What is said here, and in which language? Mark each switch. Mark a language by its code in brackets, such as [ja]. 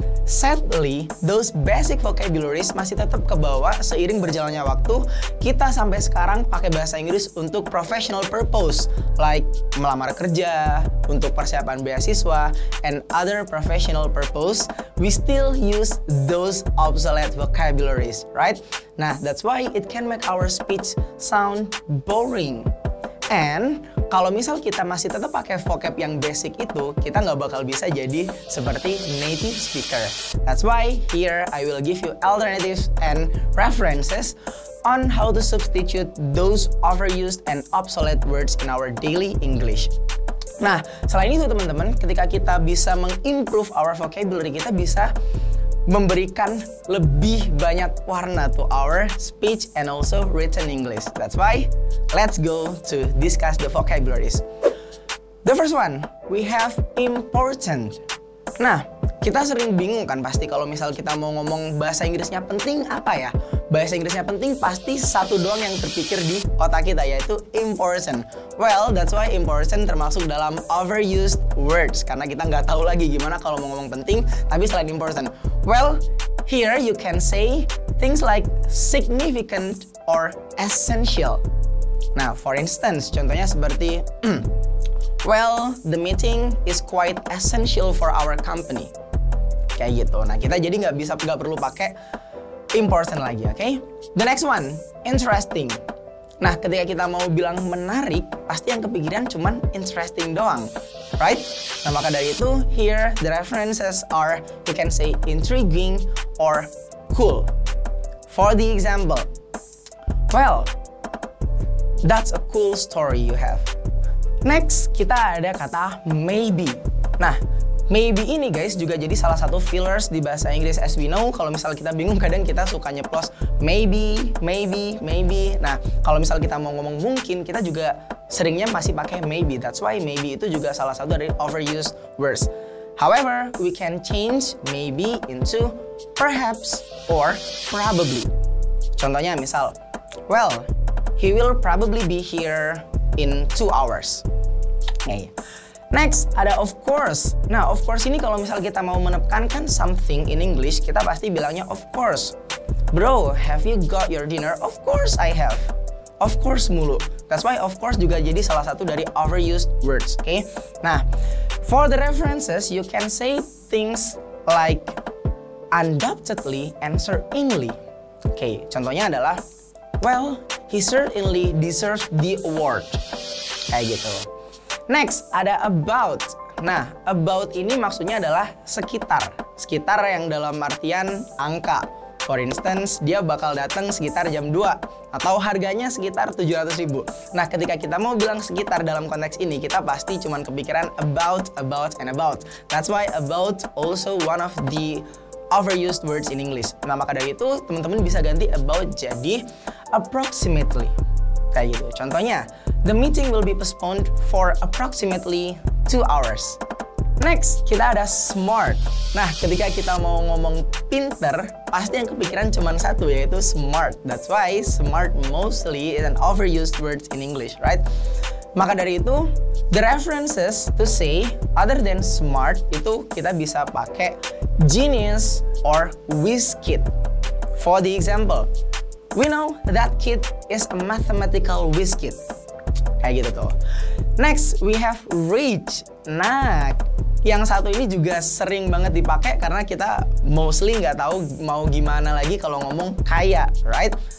[en] Sadly, those basic vocabularies [id] masih tetap kebawa seiring berjalannya waktu. Kita sampai sekarang pakai bahasa Inggris untuk [en] professional purpose, like [id] melamar kerja, untuk persiapan beasiswa, [en] and other professional purpose. We still use those obsolete vocabularies, right? Nah, that's why it can make our speech sound boring. [id] And kalau misal kita masih tetap pakai vocab yang basic itu, kita nggak bakal bisa jadi seperti native speaker. [en] That's why here I will give you alternatives and references on how to substitute those overused and obsolete words in our daily English. [id] Nah, selain itu teman-teman, ketika kita bisa mengimprove [en] our vocabulary, [id] kita bisa memberikan lebih banyak warna [en] to our speech and also written English. That's why, let's go to discuss the vocabularies. The first one, we have important. [id] Nah, kita sering bingung kan pasti kalau misal kita mau ngomong bahasa Inggrisnya penting apa ya? Bahasa Inggrisnya penting pasti satu doang yang terpikir di otak kita, yaitu important. [en] Well, that's why important [id] termasuk dalam [en] overused words. [id] Karena kita nggak tahu lagi gimana kalau mau ngomong penting, tapi selain important. [en] Well, here you can say things like significant or essential. Nah, for instance, [id] contohnya seperti, [en] well, the meeting is quite essential for our company. [id] Kayak gitu. Nah, kita jadi nggak perlu pakai important lagi, oke? Okay? [en] The next one, [id] interesting. Nah, ketika kita mau bilang menarik, pasti yang kepikiran cuman interesting doang, right? [en] Nah, [id] maka dari itu, [en] here the references are, you can say intriguing or cool. For the example, well, that's a cool story you have. [id] Next, kita ada kata maybe. Nah, maybe ini guys juga jadi salah satu fillers di bahasa Inggris. [en] As we know, [id] kalau misal kita bingung kadang kita suka nyeplos maybe, maybe, maybe. Nah, kalau misal kita mau ngomong mungkin, kita juga seringnya masih pakai maybe. [en] That's why [id] maybe itu juga salah satu dari overused words. [en] However, we can change maybe into perhaps or probably. [id] Contohnya misal, [en] well, he will probably be here in 2 hours. Okay. [id] Next, ada of course. Nah, of course ini kalau misal kita mau menekankan [en] something in English, [id] kita pasti bilangnya of course. [en] Bro, have you got your dinner? Of course I have. Of course mulu. That's why of course [id] juga jadi salah satu dari [en] overused words, oke? Okay? Nah, for the references, you can say things like undoubtedly and certainly. Oke, okay, [id] contohnya adalah, [en] well, he certainly deserves the award. [id] Kayak gitu. Next, ada about. Nah, about ini maksudnya adalah sekitar. Sekitar yang dalam artian angka. [en] For instance, [id] dia bakal datang sekitar jam 2. Atau harganya sekitar 700 ribu. Nah, ketika kita mau bilang sekitar dalam konteks ini, kita pasti cuma kepikiran about, about, and about. [en] That's why about also one of the overused words in English. [id] Nah, maka dari itu, teman-teman bisa ganti about jadi approximately. Kayak gitu. [en] Contohnya, the meeting will be postponed for approximately 2 hours. [id] Next, kita ada smart. Nah, ketika kita mau ngomong pinter, pasti yang kepikiran cuma satu, yaitu smart. [en] That's why smart mostly is an overused word in English, right? [id] Maka dari itu, [en] the references to say other than smart, [id] itu kita bisa pakai [en] genius or whiz kid. For the example, we know that kid is a mathematical whiz kid. [id] Kayak gitu tuh. [en] Next, we have rich. [id] Nah, yang satu ini juga sering banget dipakai karena kita mostly nggak tahu mau gimana lagi kalau ngomong kaya, right?